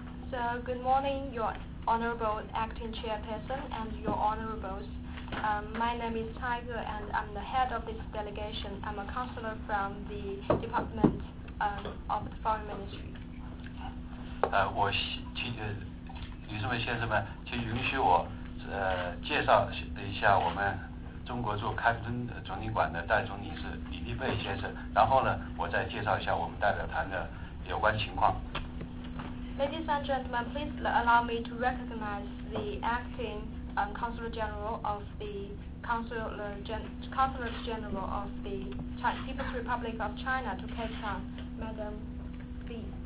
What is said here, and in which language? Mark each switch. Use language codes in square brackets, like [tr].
[en] So, good morning, your honorable acting chairperson and your honorables. My name is Tiger and I'm the head of this delegation. I'm a counselor from the Department of the Foreign Ministry. [zh] 我请女士们先生们，请允许我介绍一下我们中国驻开普敦总领馆的戴总理事李立贝先生，然后呢，我再介绍一下我们代表团的有关情况。 [en] Ladies and gentlemen, please allow me to recognize the acting Consul General of the Consulate General of the People's Republic of China to Cape Town, Madam Li.